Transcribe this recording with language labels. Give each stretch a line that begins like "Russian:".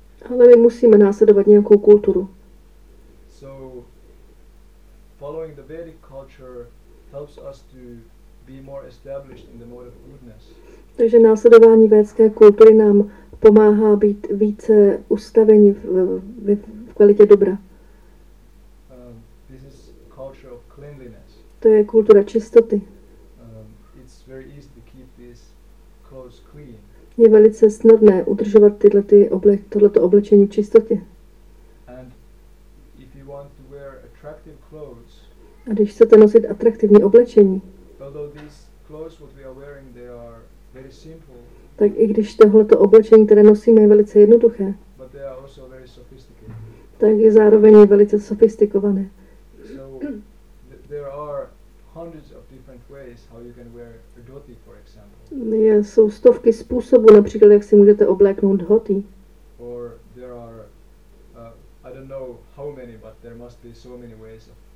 Czech: Ale my musíme následovat nějakou kulturu.
English: So following the Vedic culture helps us to be more established in the mode of goodness.
Czech: Takže následování védské kultury nám pomáhá být více ustaveni v kvalitě dobra.
English: This is culture of cleanliness.
Czech: To je kultura čistoty.
English: It's very easy to keep these clothes clean.
Czech: Je velice snadné udržovat tohleto oblečení v čistotě.
English: And if you want to wear attractive clothes,
Czech: a když chcete nosit atraktivní oblečení,
English: although these clothes what we are wearing, they are very simple,
Czech: tak i když tohleto oblečení, které nosíme, je velice jednoduché,
English: but they are also very sophisticated,
Czech: tak je zároveň velice sofistikované.
English: So, there are hundreds of different ways how you can wear a dhoti, for example.
Czech: Jsou stovky způsobů, například jak si můžete obléknout dhoti.
English: Or there are, I don't know how many, but there must be so many ways of